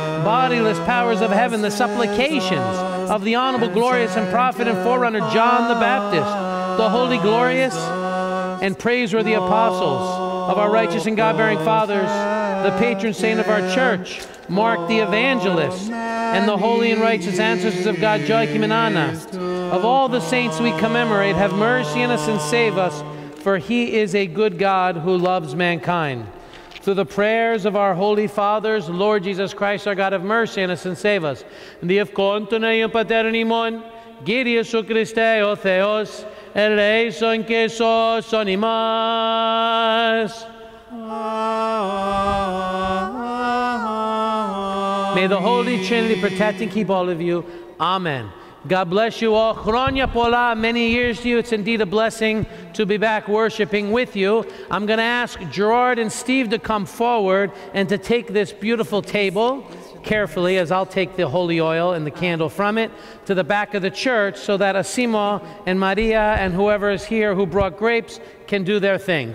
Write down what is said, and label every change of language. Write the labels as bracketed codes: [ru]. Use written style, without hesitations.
[en] bodiless powers of heaven, the supplications of the honorable, glorious, and prophet and forerunner John the Baptist, the holy, glorious, and praiseworthy apostles of our righteous and God-bearing fathers, the patron saint of our church, Mark the Evangelist, and the holy and righteous ancestors of God, Joachim and Anna. Of all the saints we commemorate, have mercy on us and save us, for he is a good God who loves mankind. Through the prayers of our holy fathers, Lord Jesus Christ, our God, have mercy on us and save us. [el] Διευκόντων πατέρων ημών, Κύριε Ιησού Χριστέ ο Θεός, ελέησον και σώσον ημάς. [en] May the Holy Trinity protect and keep all of you. Amen. God bless you all. [el] Chronia pola, [en] many years to you. It's indeed a blessing to be back worshiping with you. I'm going to ask Gerard and Steve to come forward and to take this beautiful table carefully, as I'll take the holy oil and the candle from it, to the back of the church so that Asimo and Maria and whoever is here who brought grapes can do their thing.